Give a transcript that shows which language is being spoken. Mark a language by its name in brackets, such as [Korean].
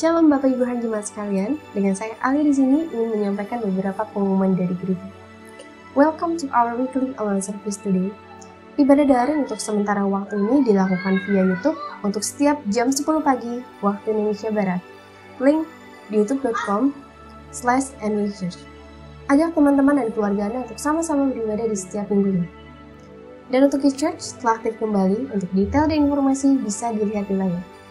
[Indonesian] Bapak Ibu Hari Jemaat sekalian, dengan saya Ali di sini ingin menyampaikan beberapa pengumuman dari gereja. [English] Welcome to our weekly online service today. [Indonesian] Ibadah daring untuk sementara waktu ini dilakukan via YouTube untuk setiap jam 10 pagi waktu Indonesia Barat. Link di youtube.com/nwchurch. Ajak teman-teman dan keluarga Anda untuk sama-sama beribadah di setiap minggunya. Dan untuk e-church telah aktif kembali, untuk detail dan informasi bisa dilihat di layar.